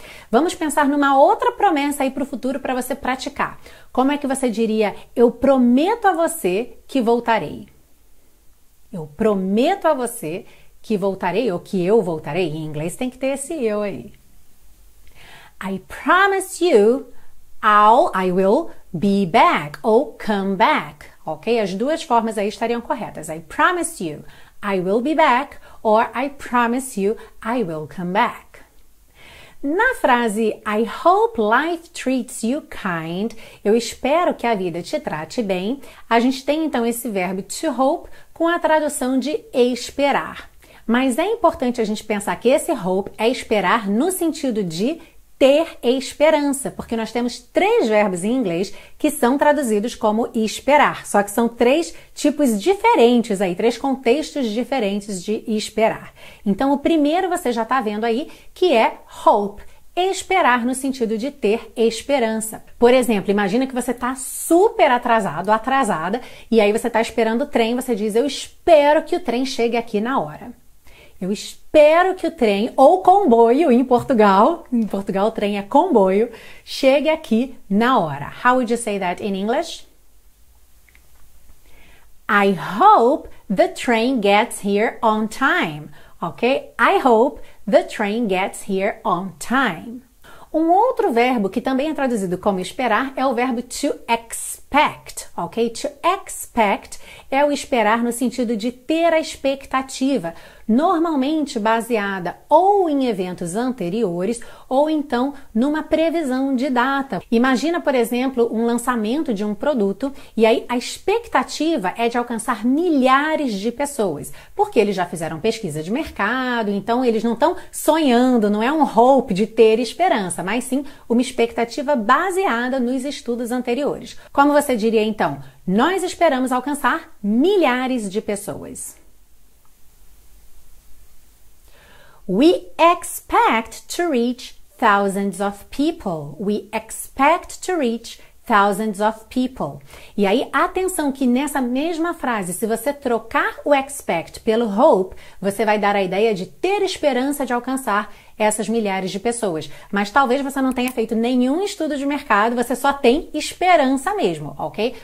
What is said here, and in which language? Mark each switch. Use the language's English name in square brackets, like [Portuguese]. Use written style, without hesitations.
[Portuguese] Vamos pensar numa outra promessa aí para o futuro para você praticar. Como é que você diria: eu prometo a você que voltarei? Eu prometo a você que voltarei ou que eu voltarei. Em inglês tem que ter esse eu aí. [English] I promise you. I will be back [Portuguese] ou [English] come back. Ok? [Portuguese] As duas formas aí estariam corretas. [English] I promise you I will be back or I promise you I will come back. [Portuguese] Na frase [English] I hope life treats you kind, [Portuguese] eu espero que a vida te trate bem, a gente tem então esse verbo to hope com a tradução de esperar. Mas é importante a gente pensar que esse hope é esperar no sentido de ter esperança, porque nós temos três verbos em inglês que são traduzidos como esperar, só que são três tipos diferentes aí, três contextos diferentes de esperar. Então, o primeiro você já está vendo aí que é hope, esperar no sentido de ter esperança. Por exemplo, imagina que você está super atrasado, atrasada, e aí você está esperando o trem, você diz: eu espero que o trem chegue aqui na hora. Eu espero que o trem ou comboio em Portugal o trem é comboio, chegue aqui na hora. [English] How would you say that in English? I hope the train gets here on time. Ok? I hope the train gets here on time. [Portuguese] Um outro verbo que também é traduzido como esperar é o verbo to expect, ok? To expect é o esperar no sentido de ter a expectativa, normalmente baseada ou em eventos anteriores ou então numa previsão de data. Imagina, por exemplo, um lançamento de um produto e aí a expectativa é de alcançar milhares de pessoas, porque eles já fizeram pesquisa de mercado, então eles não estão sonhando, não é um hope de ter esperança, mas sim uma expectativa baseada nos estudos anteriores. Como você diria então? Nós esperamos alcançar milhares de pessoas. [English] We expect to reach thousands of people. We expect to reach thousands of people. [Portuguese] E aí, atenção que nessa mesma frase, se você trocar o expect pelo hope, você vai dar a ideia de ter esperança de alcançar essas milhares de pessoas. Mas talvez você não tenha feito nenhum estudo de mercado, você só tem esperança mesmo, ok?